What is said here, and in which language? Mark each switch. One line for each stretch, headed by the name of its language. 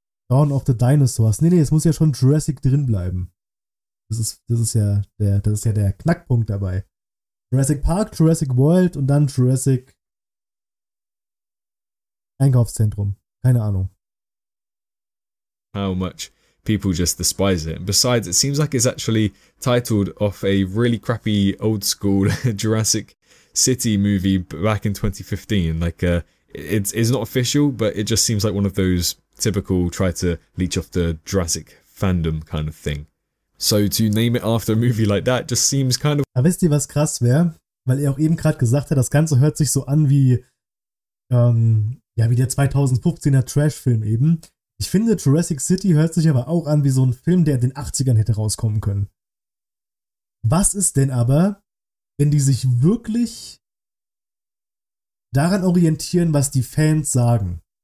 German: Dawn of the Dinosaurs. Nee, es muss ja schon Jurassic drin bleiben. Das ist ja der Knackpunkt dabei. Jurassic Park, Jurassic World und dann Jurassic Einkaufszentrum. Keine Ahnung.
English: How much people just despise it. And besides, it seems like it's actually titled off a really crappy old school Jurassic City movie back in 2015. Like, it's not official, but it just seems like one of those typical try to leech off the Jurassic fandom kind of thing. So to name it after a movie like that just seems kind of...
German: Aber wisst ihr, was krass wäre? Weil er auch eben gerade gesagt hat, das Ganze hört sich so an wie wie der 2015er Trash-Film eben. Ich finde, Jurassic City hört sich aber auch an wie so ein Film, der in den 80ern hätte rauskommen können. Was ist denn aber, wenn die sich wirklich daran orientieren, was die Fans sagen?